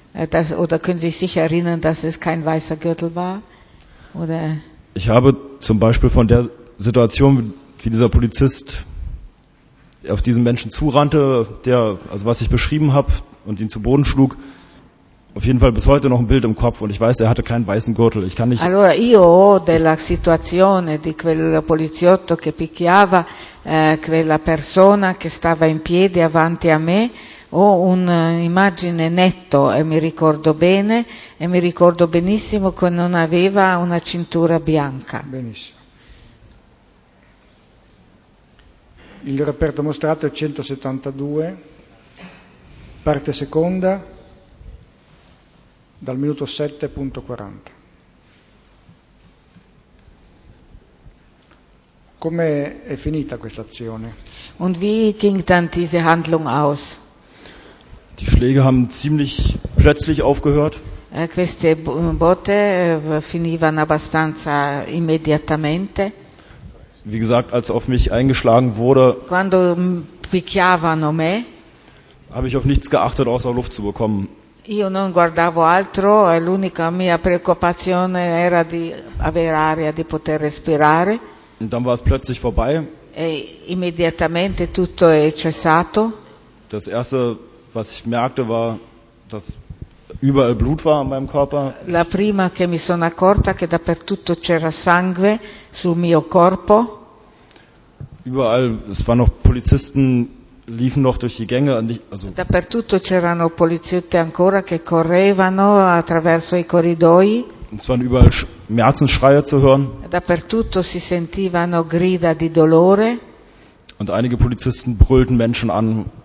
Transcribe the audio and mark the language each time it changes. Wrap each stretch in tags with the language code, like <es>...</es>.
<de>Das, oder können Sie sich sicher erinnern, dass es kein weißer Gürtel war? Oder? Ich habe zum Beispiel von der Situation, wie dieser Polizist auf diesen Menschen zurannte, der, also was ich beschrieben habe und ihn zu Boden schlug, auf jeden Fall bis heute noch ein Bild im Kopf und ich weiß, er hatte keinen weißen Gürtel. Ich kann nicht.</de> <it>Allora, io ho della situazione di quel poliziotto che picchiava quella persona che stava in piedi avanti a me. Ho un'immagine netto e mi ricordo bene e mi ricordo benissimo che non aveva una cintura bianca. Benissimo. Il reperto mostrato è 172, parte seconda, dal minuto 7.40. Come è finita questa azione?</it> <de>Und wie ging dann diese Handlung aus? Die Schläge haben ziemlich plötzlich aufgehört.</de> <it>Queste botte finivano abbastanza immediatamente.</it> <de>Wie gesagt, als auf mich eingeschlagen wurde,</de> <it>quando picchiavano me,</it> <de>habe ich auf nichts geachtet, außer Luft zu bekommen.</de> <it>Io non guardavo altro, l'unica mia preoccupazione era di avere aria, di poter respirare.</it> <de>Und dann war es plötzlich vorbei.</de> <it>E immediatamente tutto è cessato.</it> <de>Das erste, was ich merkte, war, dass überall Blut war an meinem Körper.</de> <it>La prima che mi sono accorta che dappertutto c'era sangue sul mio corpo.</it> <de>Überall, es waren noch Polizisten, liefen noch durch die Gänge.</de> <it>Also dappertutto c'erano poliziotti ancora che correvano attraverso i corridoi.</it> <de>Es waren überall Schmerzensschreie zu hören.</de> <it>Dappertutto si sentivano grida di dolore.</it> <de>Und einige Polizisten brüllten Menschen an.</de>